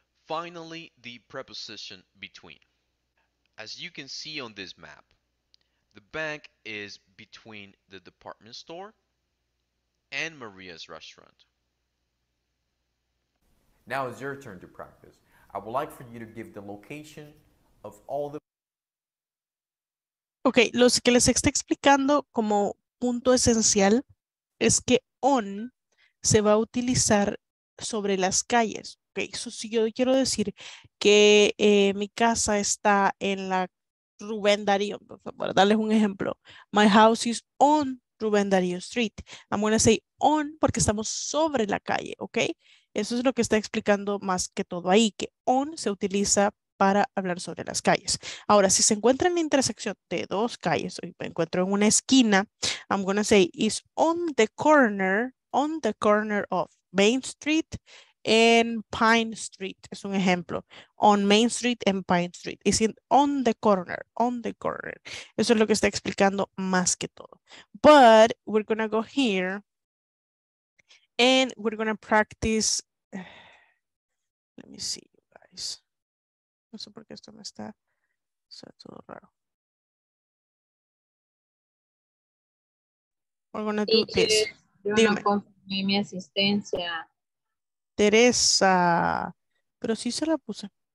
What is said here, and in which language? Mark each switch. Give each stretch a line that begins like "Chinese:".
English: Finally, the preposition between. As you can see on this map, the bank is between the department store and Maria's restaurant. Now it's your turn to practice. I would like for you to give the location of all the...
Spanish: Ok, lo que les está explicando como punto esencial es que on se va a utilizar sobre las calles. Ok, so, si yo quiero decir que mi casa está en la Rubén Darío, para darles un ejemplo.
English: My house is on Rubén Darío Street. I'm going to say on
Spanish: porque estamos sobre la calle,
English: ok.
Spanish: Eso es lo que está explicando más que todo ahí, que on se utiliza para hablar sobre las calles. Ahora, si se encuentra en la intersección de dos calles, o me encuentro en una esquina,
English: I'm going to say is on the corner of Main Street and Pine Street.
Spanish: Es un ejemplo.
English: On Main Street and Pine Street. Is it on the corner, on the corner.
Spanish: Eso es lo que está explicando más que todo.
English: But we're going to go here and we're going to practice. Let me see, you guys.
Spanish: No sé por qué esto me está, todo raro.
English: We're going to do this.
Spanish: Yo no confirmé mi asistencia. Teresa. Pero sí se la puse.